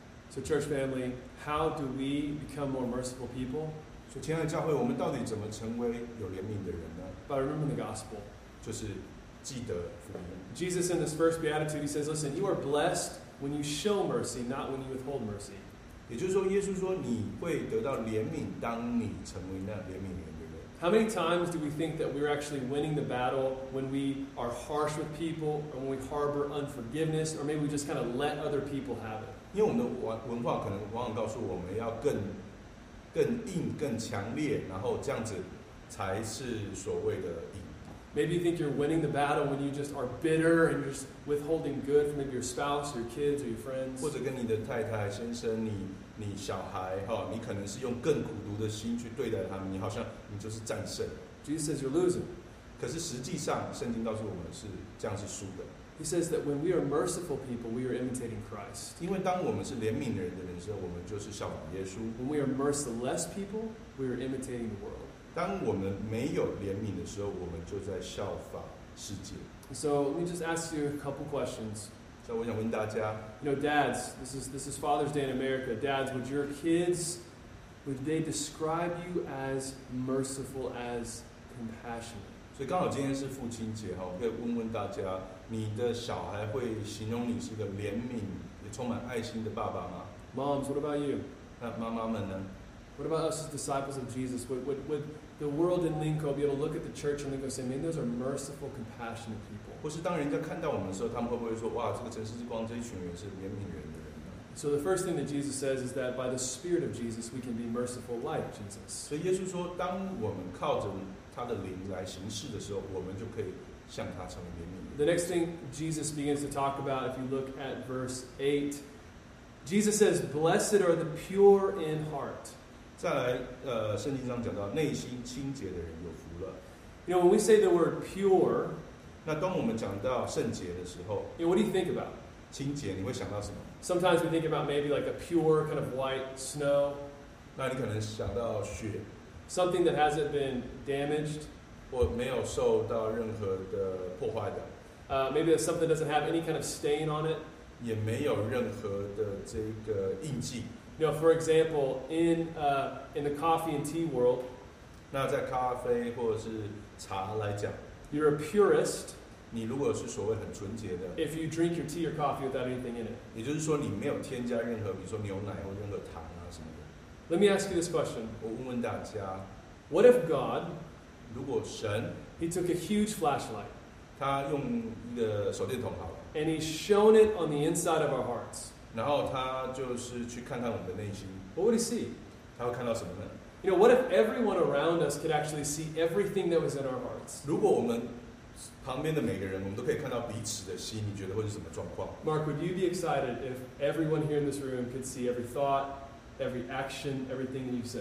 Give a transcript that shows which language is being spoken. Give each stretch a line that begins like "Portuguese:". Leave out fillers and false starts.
English: So church family, how do we become more merciful people?
Chinese: 所以亲爱的教会，我们到底怎么成为有怜悯的人呢？
English: By remembering the gospel.
Chinese: 就是记得福音。
English: Jesus in this first beatitude, he says, listen, you are blessed when you show mercy, not when you withhold mercy.
Chinese: 也就是说，耶稣说，你会得到怜悯，当你成为那怜悯人。
English: How many times do we think that we're actually winning the battle when we are harsh with people, or when we harbor unforgiveness, or maybe we just kind of let other people have it?
Chinese: 因为我们的文化可能往往告诉我们要更硬、更强烈，然后这样子才是所谓的硬。
English: Maybe you think you're winning the battle when you just are bitter and you're just withholding good from maybe your spouse, your kids, or your friends.
Chinese: 或者跟你的太太、先生，你小孩，你可能是用更苦毒的心去对待他们，你好像你就是战胜。
English: Jesus says you're losing.
Chinese: 可是实际上，圣经告诉我们是这样是输的。
English: He says that when we are merciful people, we are imitating Christ.
Chinese: 因为当我们是怜悯人的人时候，我们就是效仿耶稣。
English: When we are merciless people, we are imitating the world.
Chinese: 当我们没有怜悯的时候，我们就在效仿世界。
English: So let me just ask you a couple questions.
Chinese: 所以我想问大家，
English: you know, dads, this is Father's Day in America. Dads, would your kids, would they describe you as merciful, as compassionate?
Chinese: 所以刚好今天是父亲节，我可以问问大家，你的小孩会形容你是个怜悯也充满爱心的爸爸吗？
English: Moms, what about you?
Chinese: 那妈妈们呢？
English: What about us as disciples of Jesus? Would the world in Lincoln be able to look at the church in Lincoln and say, man, those are merciful, compassionate people?
Chinese: 或是当人家看到我们的时候，他们会不会说，哇，这个城市之光，这一群人是怜悯人的人呢？
English: So the first thing that Jesus says is that by the Spirit of Jesus, we can be merciful like Jesus.
Chinese: 所以耶稣说，当我们靠着他的灵来行事的时候，我们就可以向他成为怜悯人。
English: The next thing Jesus begins to talk about, if you look at verse 8, Jesus says, blessed are the pure in heart.
Chinese: 再来，圣经上讲到，内心清洁的人有福了。
English: You know, when we say the word pure,
Chinese: 那当我们讲到圣洁的时候，
English: yeah, what do you think about?
Chinese: 清洁，你会想到什么？
English: Sometimes we think about maybe like a pure kind of white snow.
Chinese: 那你可能想到雪。
English: Something that hasn't been damaged.
Chinese: 或没有受到任何的破坏的。
English: Maybe something that doesn't have any kind of stain on it.
Chinese: 也没有任何的这个印记。
English: You know, for example, in the coffee and tea world.
Chinese: 那在咖啡或者是茶来讲。
English: You're a purist.
Chinese: 你如果是所谓很纯洁的。
English: If you drink your tea or coffee without anything in it.
Chinese: 也就是说，你没有添加任何，比如说牛奶或任何糖啊什么的。
English: Let me ask you this question.
Chinese: 我问问大家。
English: What if God?
Chinese: 如果神。
English: He took a huge flashlight.
Chinese: 他用一个手电筒好了。
English: And he shone it on the inside of our hearts.
Chinese: 然后他就是去看看我们的内心。
English: What would he see?
Chinese: 他会看到什么呢？
English: You know, what if everyone around us could actually see everything that was in our hearts?
Chinese: 如果我们旁边的每个人，我们都可以看到彼此的心，你觉得会是什么状况？
English: Mark, would you be excited if everyone here in this room could see every thought, every action, everything you said?